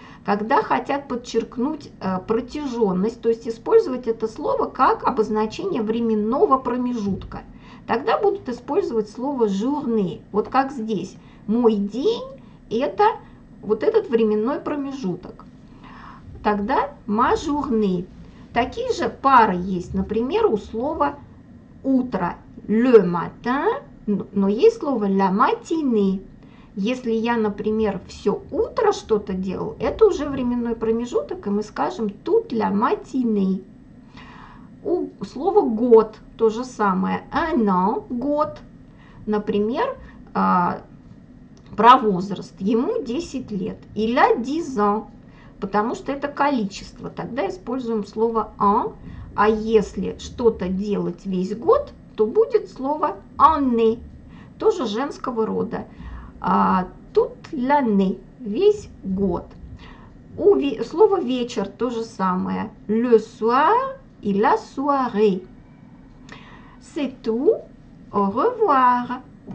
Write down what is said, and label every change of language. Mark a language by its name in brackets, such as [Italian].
[Russian] Когда хотят подчеркнуть протяженность, то есть использовать это слово как обозначение временного промежутка, тогда будут использовать слово journée. Вот как здесь. Мой день – это вот этот временной промежуток. Тогда ma journée. Такие же пары есть, например, у слова утро – [French] le matin, [Russian] но есть слово [French] la matinée. [Russian] Если я, например, все утро что-то делал, это уже временной промежуток, и мы скажем [French] «tout la matinée». [Russian] У слова «год» то же самое. [French] «Un an» [Russian] – год. Например, про возраст. Ему 10 лет. [French] «Il a 10 ans», [Russian] потому что это количество. Тогда используем слово «an». А если что-то делать весь год, то будет слово «année», тоже женского рода. Тут ляны весь год. У слова вечер то же самое. [French] Le soir и la soirée. C'est tout. Au revoir.